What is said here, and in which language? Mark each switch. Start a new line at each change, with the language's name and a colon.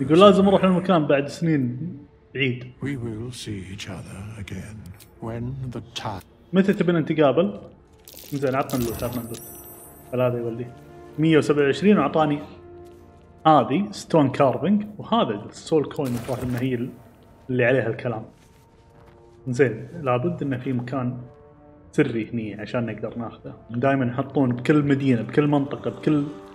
Arabic: يقول لازم اروح المكان بعد سنين بعيد
English: we will see each other again when the time
Arabic: متى تبين نتقابل زين عطنا اللوت هذا يولي 127 وعطاني هذه ستون كاربينج وهذا السول كوين المفروض انه هي اللي عليها الكلام زين لابد انه في مكان سري هني عشان نقدر ناخذه دائما يحطون بكل مدينه بكل منطقه بكل